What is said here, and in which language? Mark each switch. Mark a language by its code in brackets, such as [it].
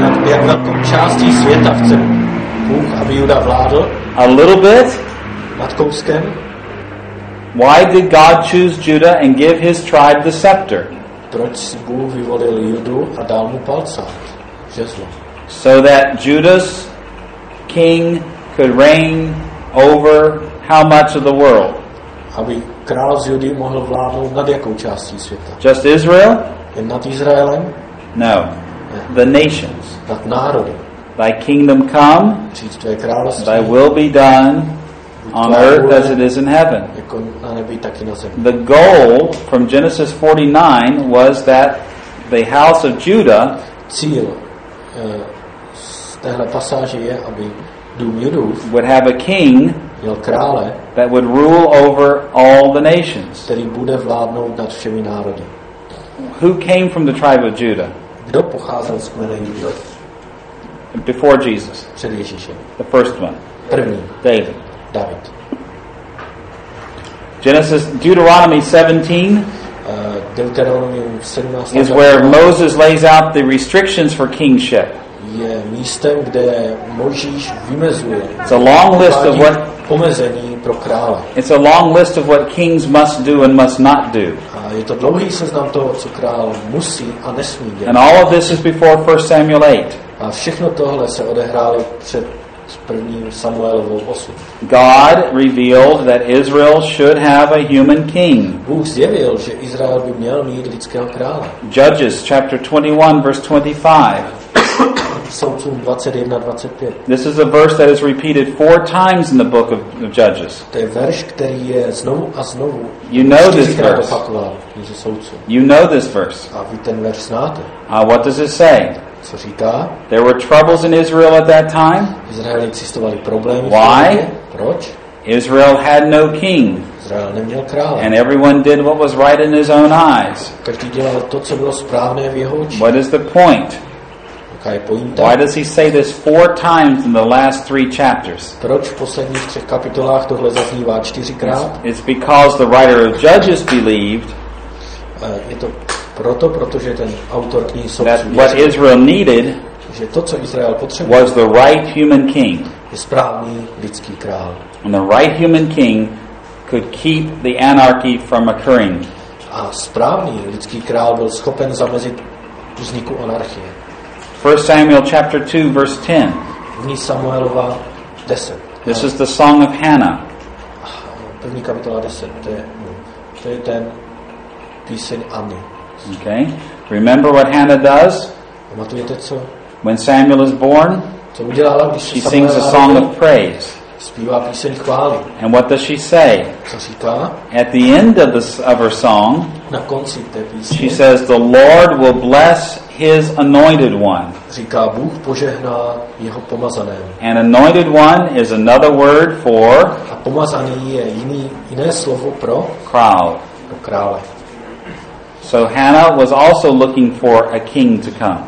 [cs] Jak velkou částí světa chce Bůh, aby Juda vládl? [en] A little bit? [cs] Nad kouskem? [en] Why did God choose Judah and give his tribe the scepter? [cs] Proč si Bůh vyvolil Judu a dal mu palcát, žezlo? [en] So that Judah's king could reign over how much of the world? [cs] Aby král z Judy mohl vládnout nad jakou částí světa? [en] Just Israel? [cs] Jen nad Izraelem? [en] No. The nations. [cs] Nad národy. [en] Thy kingdom come. [cs] Přijď tvé království. [en] Thy will be done on earth as it is in heaven. [cs] Jako na nebi, tak i na zemi. [en] The goal from Genesis 49 was that the house of Judah. [cs] Cíl z téhle pasáže je, aby dům Judův [en] would have a king. [cs] Měl krále. [en] That would rule over all the nations. [cs] Který bude vládnout nad všemi národy. [en] Who came from the tribe of Judah? [cs] Kdo pocházel z kmene Juda? [en] Before Jesus. [cs] Před Ježíšem. [en] The first one. [cs] První. [en] David. [cs] David. [en] Genesis, Deuteronomy 17. Deuteronomy 17. Is where Moses lays out the restrictions for kingship. [cs] Je místem, kde Mojžíš vymezuje. [en] It's a long list of what [cs] omezení pro krále. [en] It's a long list of what kings must do and must not do. [cs] A je to dlouhý seznam toho, co král musí a nesmí dělat. [en] And all of this is before 1 Samuel 8. [cs] A všechno tohle se odehrálo před prvním Samuelovou 8. [en] God revealed that Israel should have a human king. [cs] Bůh zjevil, že Izrael by měl mít lidského krále. [en] Judges chapter 21 verse 25. [cs] Soudcům 21-25. [en] This is a verse that is repeated four times in the book of Judges. [cs] To je verš, který je znovu a znovu. [en] You know this verse. You know this verse. [cs] A vy ten verš znáte. [en] What does it say? [cs] Co říká? [en] There were troubles in Israel at that time. [cs] Izraeli existovali problémy. [en] Why? [cs] Proč? [en] Israel had no king. [cs] Izrael neměl krále. [en] And everyone did what was right in his own eyes. [cs] Každý dělal to, co bylo správné v jeho očích. [en] What is the point? Why does he say this four times in the last three chapters? [cs] Proč v posledních třech kapitolách tohle zaznívá čtyřikrát? [en] It's because the writer of Judges believed. [cs] Je to proto, protože ten autor knihy Soudců. [en] That what Israel needed, [cs] že to, co Izrael potřeboval, [en] was the right human king. [cs] Je správný lidský král. [en] And the right human king could keep the anarchy from occurring. [cs] a správný lidský král byl schopen zamezit vzniku anarchie. [en] 1 Samuel chapter 2 verse 10. [cs] Vní Samuelova 10. [en] This is the song of Hannah. [cs] První kapitola 10. To je ten píseň Anny. [en] Okay. Remember what Hannah does? [cs] Pamatujete co? [en] When Samuel is born, [cs] co udělala, když [en] she sings a song of praise. [cs] Zpívá píseň chvály. [en] And what does she say? [cs] Co říká? [en] At the end of her song, [cs] na konci té písně, [en] she says, "The Lord will bless His anointed one." [cs] Říká, Bůh požehná jeho pomazaném. [en] An anointed one is another word for. [cs] A pomazaný je jiné slovo pro. Král. Pro krále. [en] So Hannah was also looking for a king to come.